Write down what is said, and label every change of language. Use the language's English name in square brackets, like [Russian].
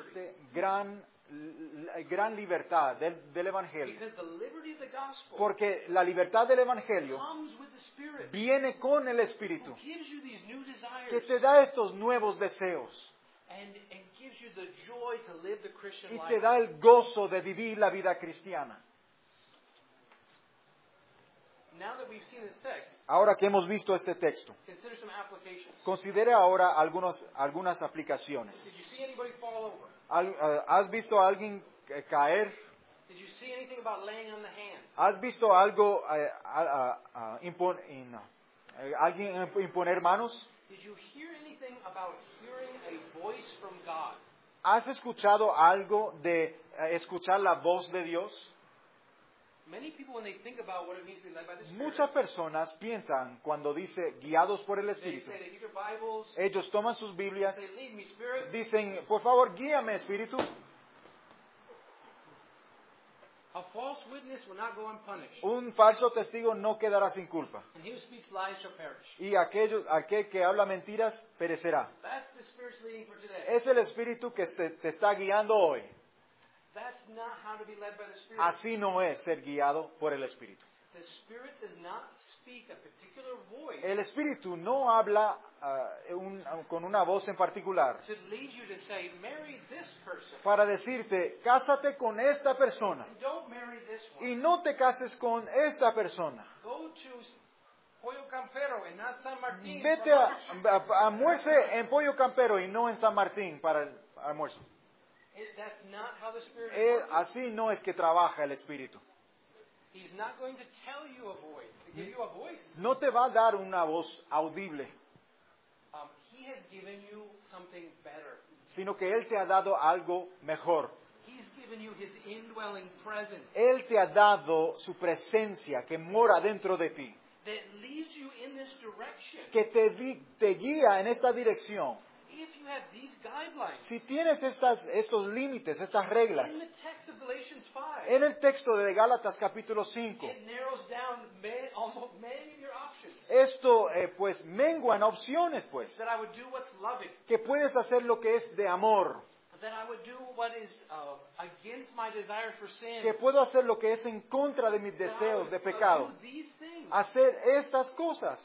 [Spanish] Este gran libertad del Evangelio. [English] Because the liberty of the gospel, [Spanish] porque la libertad del Evangelio [English] comes with the Spirit, [Spanish] viene con el Espíritu, [English] who gives you these new desires, [Spanish] que te da estos nuevos deseos. [English] And gives you the joy to live the Christian life. [Spanish] Y te da el gozo de vivir la vida cristiana. [English] Now that we've seen this text, [Spanish] ahora que hemos visto este texto, [English] consider some applications. [Spanish] Considere ahora algunas aplicaciones. [English] Did you see anybody fall over? [Spanish] ¿Has visto a alguien caer? [English] Did you see anything about laying on the hands? [Spanish] ¿Has visto algo alguien imponer manos? [English] Did you hear anything about hearing a voice from God? [Spanish] ¿Has escuchado algo de escuchar la voz de Dios? [English] Many people, when they think about what it means to be led by the Spirit, [Spanish] muchas personas piensan cuando dice guiados por el Espíritu. [English] They say, "Lead your Bibles." [Spanish] Ellos toman sus Biblias. [English] They say, "Lead me, Spirit." [Spanish] Dicen, por favor, guíame, Espíritu. [English] A false witness will not go unpunished. [Spanish] Un falso testigo no quedará sin culpa. [English] And he who speaks lies shall perish. [Spanish] Y aquel que habla mentiras perecerá. [English] That's the Spirit's leading for today. [Spanish] Es el Espíritu que te está guiando hoy. [English] That's not how to be led by the Spirit. [Spanish] Así no es ser guiado por el Espíritu. [English] The Spirit does not speak a particular voice. [Spanish] El Espíritu no habla con una voz en particular. [English] To lead you to say, marry this person. [Spanish] Para decirte, cásate con esta persona. [English] And don't marry this one. [Spanish] Y no te cases con esta persona. [English] Go to Pollo Campero and not San Martín. [Spanish] Vete a almuerce en Pollo Campero y no en San Martín para el almuerzo. [English] That's not how the Spirit works. [Spanish] Así no es que trabaja el Espíritu. [English] He's not going to tell you a voice. [Spanish] No te va a dar una voz audible. [English] He has given you something better. [Spanish] Sino que Él te ha dado algo mejor. [English] He's given you his indwelling presence. [Spanish] Él te ha dado su presencia que mora dentro de ti. [English] That leads you in this direction. [Spanish] Que te guía en esta dirección. [English] If you have these guidelines, [Spanish] si tienes estos límites, estas reglas, [English] in the text of Galatians 5, [Spanish] en el texto de Gálatas capítulo 5, [English] it narrows down many of your options. [Spanish] Esto pues mengua en opciones, pues, [English] that I would do what's loving, [Spanish] que puedes hacer lo que es de amor, [English] that I would do what is against my desire for sin, [Spanish] que puedo hacer lo que es en contra de mis deseos de pecado, hacer estas cosas.